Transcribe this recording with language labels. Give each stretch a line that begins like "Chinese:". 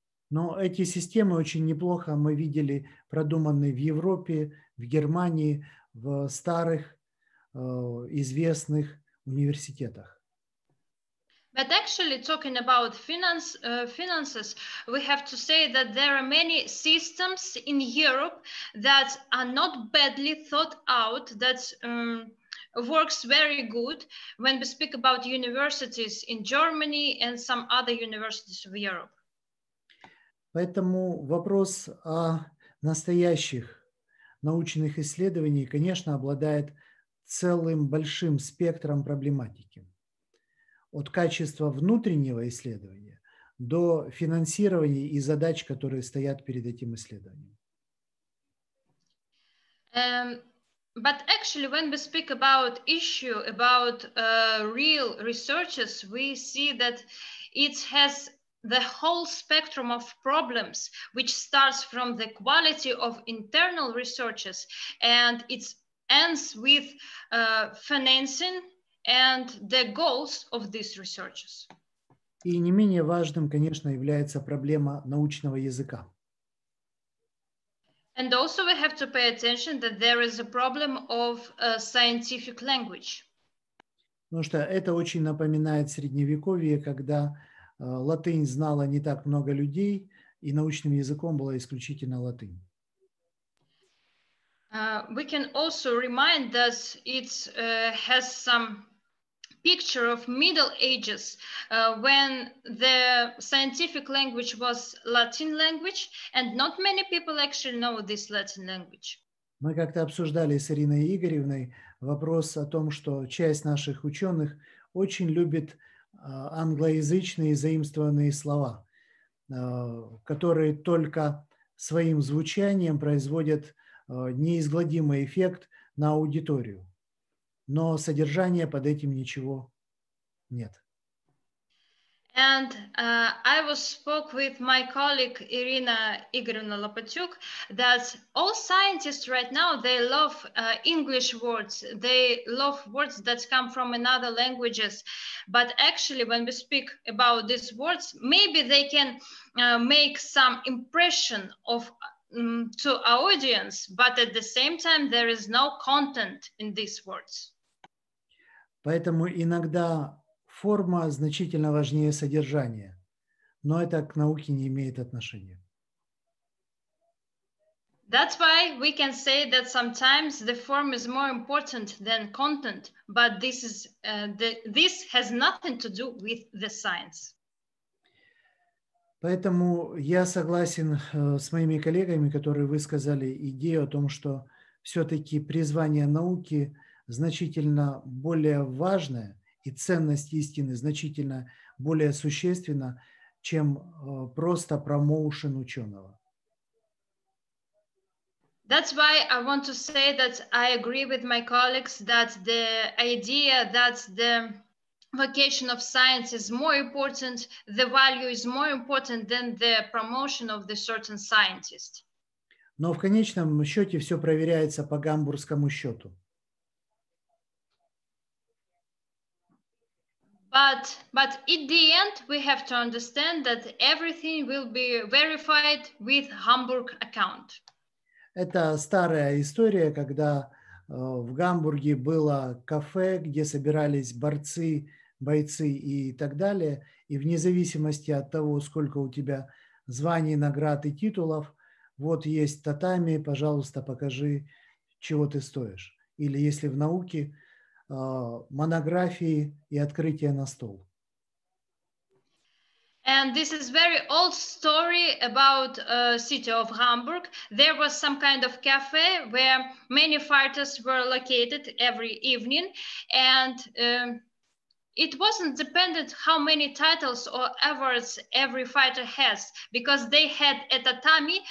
Russian: Но эти системы очень неплохо мы видели продуманные в Европе, в Германии, в старых известных университетах.
English: But actually, talking about finances, we have to say that there are many systems in Europe that are not badly thought out, that works very good when we speak about universities in Germany and some other universities of Europe.
Russian: Поэтому вопрос о настоящих научных исследованиях, конечно, обладает целым большим спектром проблематики. От качества внутреннего исследования до финансирования и задач, которые стоят перед этим исследованием.
English: But actually, when we speak about issue, about real researches, we see that it has the whole spectrum of problems, which starts from the quality of internal researches, and it ends with financing and the goals of these researches.
Russian: И не менее важным, конечно, является проблема научного языка.
English: And also we have to pay attention that there is a problem of scientific language.
Russian: Потому что это очень напоминает Средневековье, когда латынь знала не так много людей, и научным языком была исключительно латынь.
English: We can also remind that it has some picture of Middle Ages, when the scientific language was Latin language, and not many people actually know this Latin language.
Russian: Мы как-то обсуждали с Ириной Игоревной вопрос о том, что часть наших ученых очень любит англоязычные заимствованные слова, которые только своим звучанием производят неизгладимый эффект на аудиторию. Но содержания под этим ничего нет.
English: And I was spoke with my colleague Irina Igorevna Lopatyuk that all scientists right now, they love English words. They love words that come from another languages. But actually, when we speak about these words, maybe they can make some impression of to our audience, but at the same time, there is no content in these words.
Russian: Поэтому иногда форма значительно важнее содержания, но это к науке не имеет отношения.
English: That's why we can say that sometimes the form is more important than content, but this is this has nothing to do with the science.
Russian: Поэтому я согласен с моими коллегами, которые высказали идею о том, что все-таки призвание науки значительно более важное и ценность истины значительно более существенна, чем просто промоушен ученого.
English: That's why I want to say that I agree with my colleagues that the idea that the vocation of science is more important, the value is more important than the promotion of the certain scientist.
Russian: Но в конечном счете все проверяется по гамбургскому счету.
English: But in the end, we have to understand that everything will be verified with Hamburg account.
Russian: Это старая история, когда в Гамбурге было кафе, где собирались борцы, бойцы и так далее. И вне зависимости от того, сколько у тебя званий, наград и титулов, вот есть татами, пожалуйста, покажи, чего ты стоишь. Или если в науке, монографии и открытия на стол.
English: And this is very old story about city of Hamburg. There was some kind of cafe where many fighters were located every evening. And it wasn't dependent how many titles or awards every fighter has, because they had a tatami.